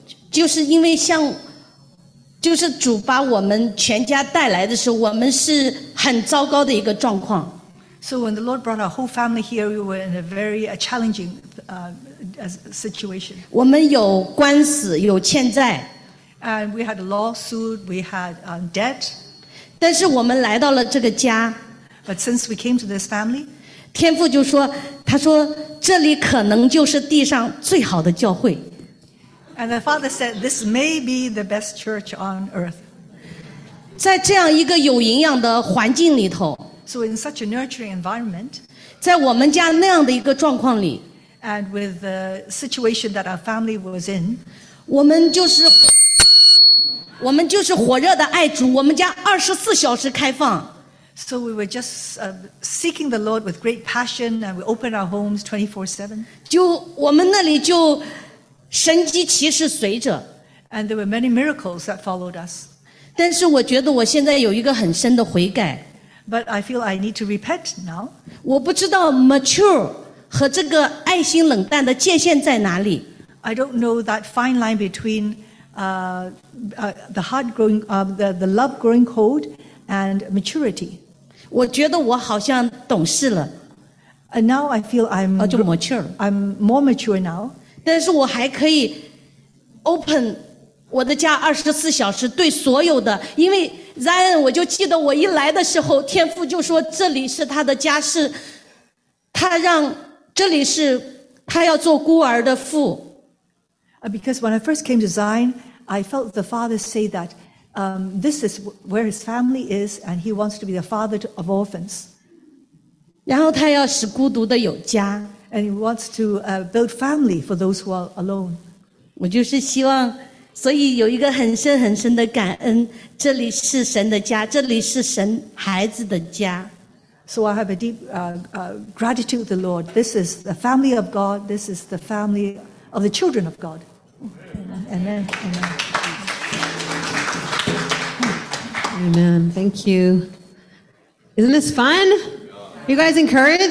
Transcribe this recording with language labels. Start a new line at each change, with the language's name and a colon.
Chinese: 就是因为像，就是主把我们全家带来的时候，我们是很糟糕的一个状况。
English: So when the Lord brought our whole family here, we were in a very challenging situation.
Chinese: 我们有官司，有欠债。
English: And we had a lawsuit, we had debt.
Chinese: 但是我们来到了这个家。
English: But since we came to this family,
Chinese: 天父就说，他说这里可能就是地上最好的教会。
English: And the Father said, this may be the best church on earth.
Chinese: 在这样一个有营养的环境里头,
English: so in such a nurturing environment,
Chinese: 在我们家那样的一个状况里,
English: and with the situation that our family was in,
Chinese: 我们就是火热的爱主, 我们家24小时开放,
English: so we were just seeking the Lord with great passion, and we opened our homes 24/7.
Chinese: 就我们那里就神机骑士随着,
English: and there were many miracles that followed us.
Chinese: 但是我觉得我现在有一个很深的悔改,
English: but I feel I need to repent now.
Chinese: 我不知道 mature 和这个爱心冷淡的界限在哪里。
English: I don't know that fine line between the heart growing, the love growing cold and maturity.
Chinese: 我觉得我好像懂事了。
English: And now I feel I'm mature. I'm more mature now.
Chinese: 但是我还可以 open 我的家24小时对所有的, 因为Zion, 我就记得我一来的时候天父就说这里是他的家是, 他让这里是他要做孤儿的父。
English: Because when I first came to Zion, I felt the Father say that this is where his family is, and he wants to be the father of orphans.
Chinese: 然后他要使孤独的有家,
English: and he wants to build family for those who are alone.
Chinese: 我就是希望, 所以有一个很深很深的感恩, 这里是神的家, 这里是神孩子的家。
English: So I have a deep gratitude to the Lord. This is the family of God. This is the family of the children of God. Amen. Amen. Amen. Thank you. Isn't this fun? You guys encouraged?